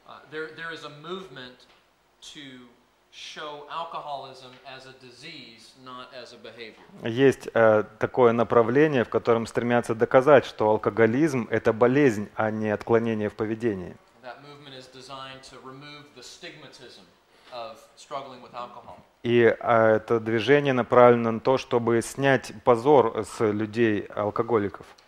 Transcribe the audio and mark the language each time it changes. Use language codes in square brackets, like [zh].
[en] There is a movement to show alcoholism as a disease, not as a behavior. [ru] Есть такое направление, в котором стремятся доказать, что алкоголизм — это болезнь, а не отклонение в поведении. [en] That movement is designed to remove the stigmatism of struggling with alcohol. [ru] И это движение направлено на то, чтобы снять позор с людей алкоголиков.